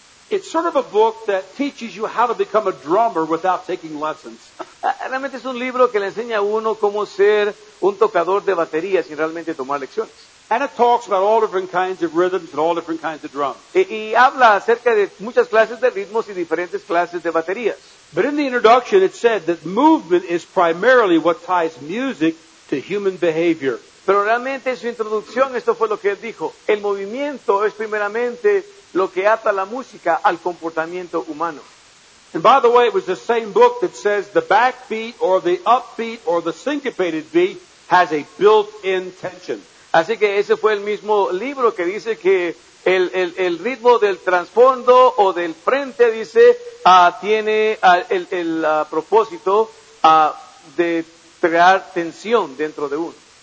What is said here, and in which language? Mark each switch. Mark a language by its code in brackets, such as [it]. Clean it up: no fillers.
[en] It's sort of a book that teaches you how to become a drummer without taking lessons. [es] Realmente es un libro que le enseña a uno cómo ser un tocador de batería sin realmente tomar lecciones. [en] And it talks about all different kinds of rhythms and all different kinds of drums. [es] Y habla acerca de muchas clases de ritmos y diferentes clases de baterías. [en] But in the introduction it said that movement is primarily what ties music to human behavior. [es] Pero realmente en su introducción esto fue lo que él dijo. El movimiento es primeramente lo que ata la música al comportamiento humano. [en] And by the way, it was the same book that says the backbeat or the upbeat or the syncopated beat has a built-in tension. [es] Así que ese fue el mismo libro que dice que el ritmo del trasfondo o del frente dice tiene el propósito de crear tensión dentro de uno.